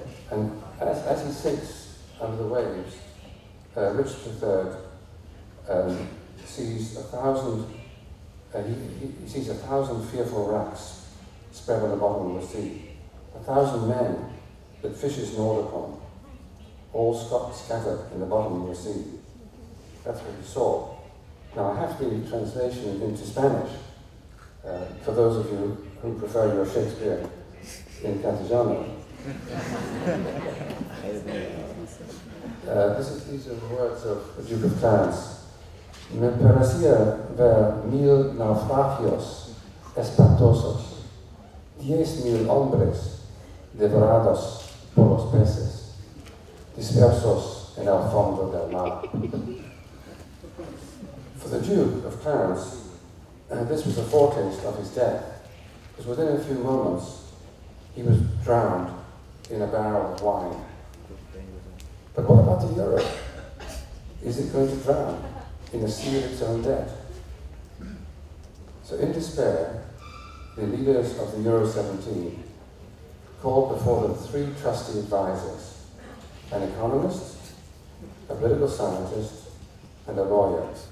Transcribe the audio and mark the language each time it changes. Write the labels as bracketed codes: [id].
[en] And as he sinks under the waves, Richard III sees a thousand fearful wracks spread on the bottom of the sea, a thousand men that fishes gnawed upon, all scattered in the bottom of the sea. That's what he saw. Now, I have to give you translation into Spanish for those of you who prefer your Shakespeare in Castellano. These are the words of the Duke of Clarence. [es] Me parecía ver mil naufragios espantosos, 10,000 hombres devorados por los peces, dispersos en el fondo del mar. [en] For the Duke of Clarence, this was a foretaste of his death, because within a few moments, he was drowned in a barrel of wine. But what about the Euro? Is it going to drown in a sea of its own debt? So in despair, the leaders of the Euro 17 called before them three trusty advisors, an economist, a political scientist, and a lawyer.